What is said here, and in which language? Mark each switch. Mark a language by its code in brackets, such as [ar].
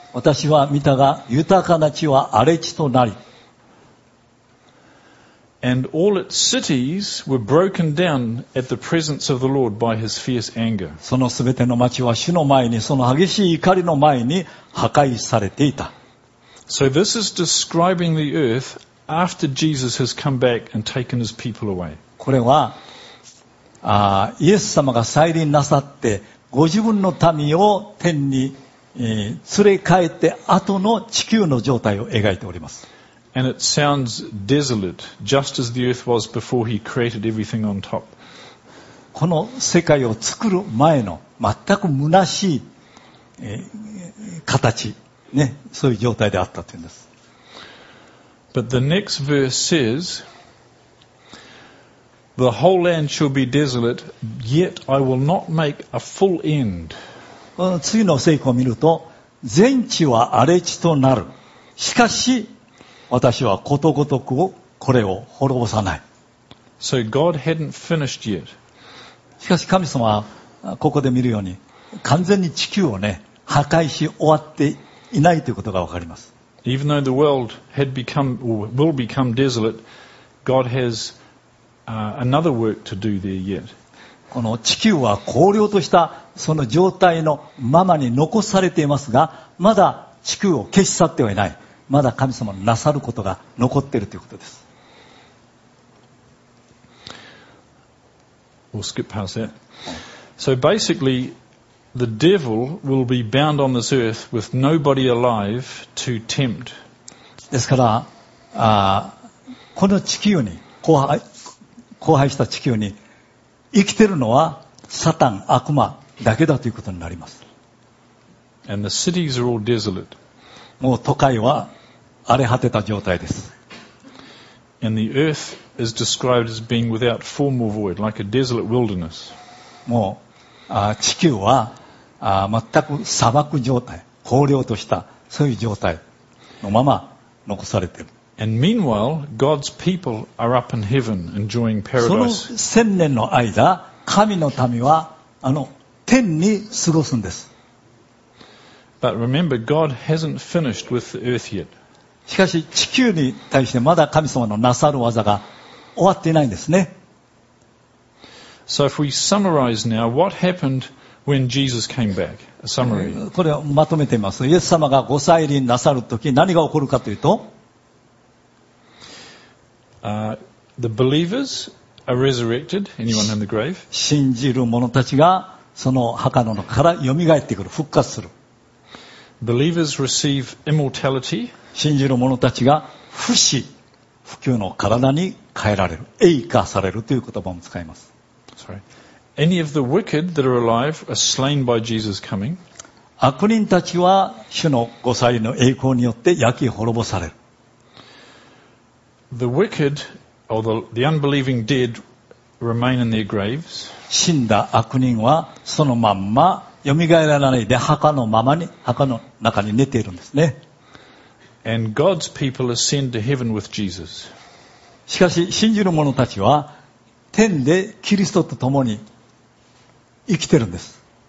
[ja] 私は見たが、豊かな地は荒れ地となり。 [en] And all its cities were broken down at the presence of the Lord by his fierce anger. [ja] そのすべての町は主の前に、その激しい怒りの前に破壊されていた。 [en] So this is describing the earth after Jesus has come back and taken his people away. [ja] これは、イエス様が再臨なさって、ご自分の民を天に、連れ帰って後の地球の状態を描いております。 [en] And it sounds desolate, just as the earth was before he created everything on top. [ja] この世界を作る前の全く虚しい、形、ね、そういう状態であったというんです。 [en] But the next verse says, The whole land shall be desolate, yet I will not make a full end. [ja] この次の聖句を見ると、全地は荒れ地となる。しかし、私はことごとくをこれを滅ぼさない。 [en] So、God hadn't finished yet. [ja] しかし神様はここで見るように完全に地球をね破壊し終わっていないということがわかります。 [en] Even though the world had become or will become desolate, God has another work to do there yet. [ja] この地球は荒涼としたその状態のままに残されていますが、まだ地球を消し去ってはいない。まだ神様のなさることが残っているということです。 [en] We'll skip past that. So basically, the devil will be bound on this earth with nobody alive to tempt. [ja] ですから、この地球に荒廃した地球に生きているのはサタン、悪魔だけだということになります。 [en] And the cities are all desolate. [ja] もう都会は荒れ果てた状態です。 [en] And the earth is described as being without form or void, like a desolate wilderness. [ja] もう、地球は、全く砂漠状態、荒涼とした、そういう状態のまま残されている。 [en] And meanwhile, God's people are up in heaven enjoying paradise. [ja] その千年の間、神の民は、天に過ごすんです。 [en] But remember, God hasn't finished with the earth yet. [ja] しかし地球に対してまだ神様のなさる技が終わっていないんですね。 [en] So if we summarize now, what happened when Jesus came back? A summary. [ja] これをまとめてみます。イエス様がご再臨なさるとき何が起こるかというと、 [en] the believers are resurrected, anyone in the grave. [ja] 信じる者たちがその墓の中から蘇ってくる、復活する。 [en] Believers receive immortality. [ja] 信じる者たちが不死不朽の体に変えられる、栄化されるという言葉も使います。 [en] Sorry. Any of the wicked that are alive are slain by Jesus coming. [ja] 悪人たちは主のご再臨の栄光によって焼き滅ぼされる。 [en] The wicked or the unbelieving dead remain in their graves. [ja] 死んだ悪人はそのまんま蘇らないで墓のままに墓の中に寝ているんですね。 [en] And God's people ascend to heaven with Jesus. [ja] しかし信じる者たちは天でキリストと共に生きてるんです。